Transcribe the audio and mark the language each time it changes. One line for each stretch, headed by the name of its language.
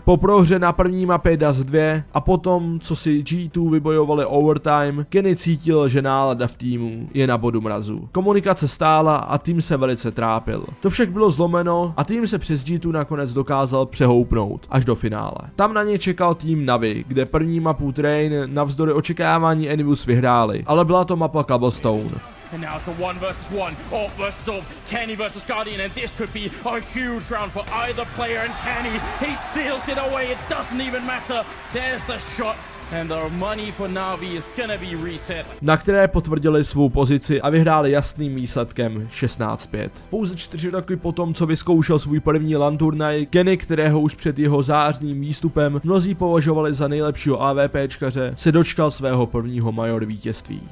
Czech: Po prohře na první mapě Dust 2 a potom, co si G2 vybojovali overtime, Kenny cítil, že nálada v týmu je na bodu mrazu. Komunikace stála a tým se velice trápil. To však bylo zlomeno a tým se přes G2 nakonec dokázal přehoupnout až do finále. Tam na ně čekal tým Navi, kde první mapu Train navzdory očekávání Envious vyhráli, ale byla to mapa Cobblestone.
English: And now it's the one versus one, Orc versus Orc, Kenny versus Guardian, and this could be a huge round for either player, and Kenny, he steals it away, it doesn't even matter, there's the shot. And our money for Navi is gonna be reset.
Czech: Na které potvrdili svou pozici a vyhráli jasným výsledkem 16-5. Pouze 4 roky potom, co vyzkoušel svůj první LAN turnaj, Kenny, kterého už před jeho zářným výstupem mnozí považovali za nejlepšího AVPčkaře, se dočkal svého prvního major vítězství.